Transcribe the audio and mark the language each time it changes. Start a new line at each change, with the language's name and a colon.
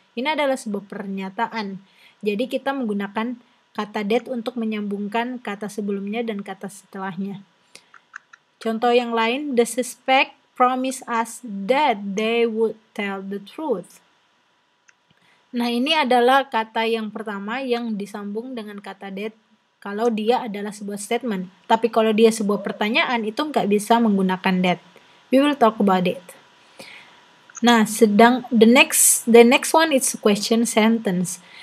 Indonesian: Ini adalah sebuah pernyataan. Jadi kita menggunakan kata that untuk menyambungkan kata sebelumnya dan kata setelahnya. Contoh yang lain,
English: the suspect promised us that they would tell the truth.
Indonesian: Nah, ini adalah kata yang pertama yang disambung dengan kata that kalau dia adalah sebuah statement. Tapi kalau dia sebuah pertanyaan, itu nggak bisa menggunakan that.
English: We will talk about it. Nah, sedang the next one is question sentence.